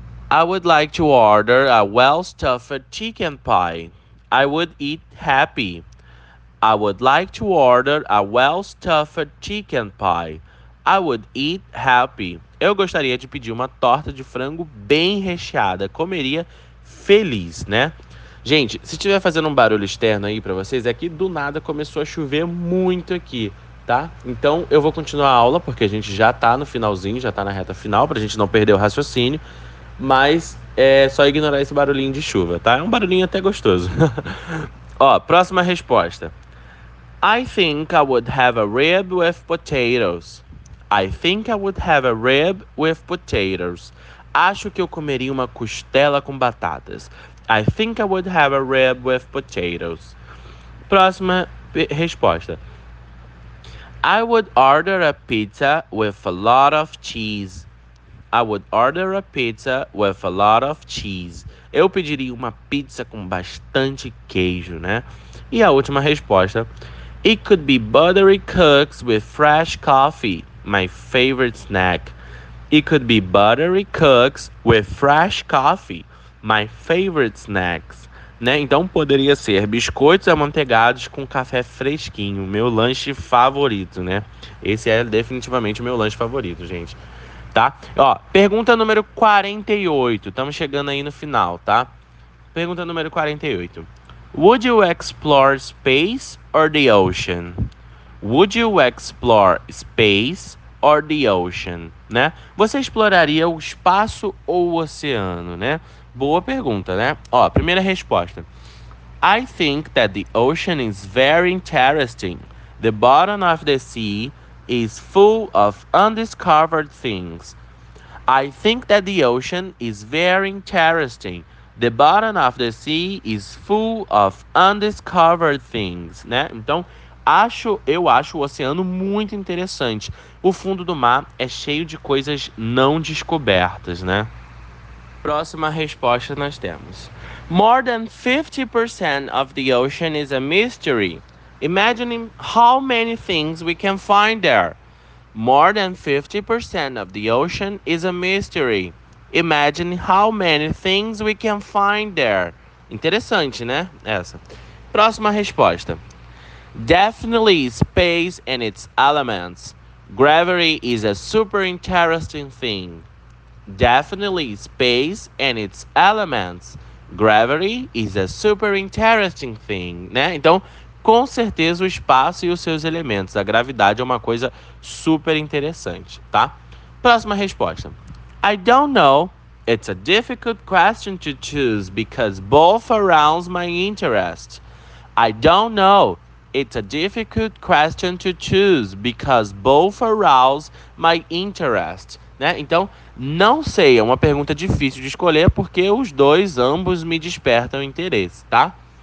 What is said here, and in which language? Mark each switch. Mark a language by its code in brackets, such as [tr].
[en] I would like to order a well-stuffed chicken pie. I would eat happy. I would like to order a well-stuffed chicken pie. I would eat happy. [pt] Eu gostaria de pedir uma torta de frango bem recheada. Comeria feliz, né? Gente, se estiver fazendo um barulho externo aí pra vocês, é que do nada começou a chover muito aqui, tá? Então, eu vou continuar a aula, porque a gente já tá no finalzinho, já tá na reta final, pra gente não perder o raciocínio. Mas é só ignorar esse barulhinho de chuva, tá? É um barulhinho até gostoso. Ó, próxima resposta. [en] I think I would have a rib with potatoes. I think I would have a rib with potatoes. [pt] Acho que eu comeria uma costela com batatas. [en] I think I would have a rib with potatoes. [pt] Próxima resposta. [en] I would order a pizza with a lot of cheese. I would order a pizza with a lot of cheese. [pt] Eu pediria uma pizza com bastante queijo, né? E a última resposta. [en] It could be buttery cooks with fresh coffee, my favorite snack. It could be buttery cooks with fresh coffee, my favorite snacks. [pt] Né? Então poderia ser biscoitos amanteigados com café fresquinho, meu lanche favorito, né? Esse é definitivamente o meu lanche favorito, gente. Tá? Ó, pergunta número 48, estamos chegando aí no final, tá? Pergunta número 48. [en] Would you explore space or the ocean? Would you explore space or the ocean? Né? [pt] Você exploraria o espaço ou o oceano, né? Boa pergunta, né? Ó, primeira resposta. [en] I think that the ocean is very interesting. The bottom of the sea is full of undiscovered things. I think that the ocean is very interesting. The bottom of the sea is full of undiscovered things, né? [pt] Então, eu acho o oceano muito interessante. O fundo do mar é cheio de coisas não descobertas, né? Próxima resposta nós temos. [en] More than 50% of the ocean is a mystery. Imagine how many things we can find there. More than 50% of the ocean is a mystery. Imagine how many things we can find there. [pt] Interessante, né? Essa. Próxima resposta. [en] Definitely space and its elements. Gravity is a super interesting thing. Definitely space and its elements. Gravity is a super interesting thing, né? [pt] Então, com certeza o espaço e os seus elementos. A gravidade é uma coisa super interessante, tá? Próxima resposta. [en] I don't know. It's a difficult question to choose because both arouse my interest. I don't know. It's a difficult question to choose because both arouse my interest. [pt] Né? Então, não sei. É uma pergunta difícil de escolher porque os dois, ambos, me despertam interesse, tá?